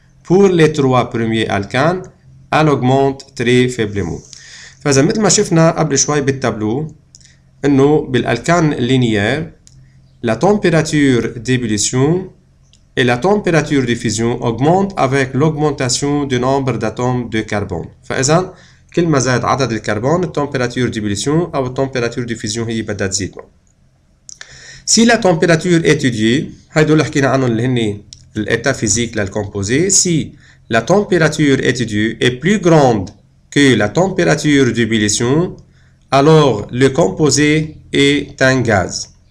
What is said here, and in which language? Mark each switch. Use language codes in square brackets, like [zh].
[fr] Pour les trois premiers alcanes, elle augmente très faiblement. Faisons comme nous avons vu avant un peu dans le tableau, dans l'alcane linéaire, la température d'ébullition et la température de fusion augmente avec l'augmentation du nombre d'atomes de carbone. [ar] فإذن كل ما زاد عدد الكربون [fr] température d'ébullition ou température de fusion [ar] هي بدها تزيد. [fr] Si la température étudiée, [ar] هيدو اللي حكينا عنهم اللي هن الاتات فيزيك للكومبوزي, [fr] si la température étudiée est plus grande que la température d'ébullition, alors le composé est un gaz.